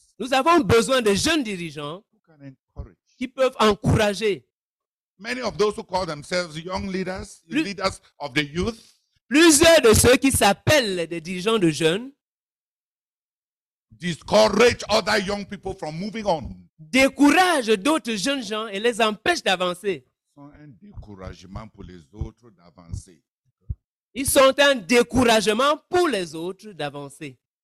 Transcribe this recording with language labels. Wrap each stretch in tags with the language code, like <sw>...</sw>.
<fr>Nous avons besoin de jeunes dirigeants qui peuvent encourager.</fr> <en>Many of those who call themselves young leaders, leaders of the youth,</en> <fr>plusieurs de ceux qui s'appellent des dirigeants de jeunes,</fr> <en>discourage other young people from moving on.</en> <fr>Décourage d'autres jeunes gens et les empêche d'avancer. Ils sont un découragement pour les autres d'avancer. Ils sont un découragement pour les autres d'avancer.</fr>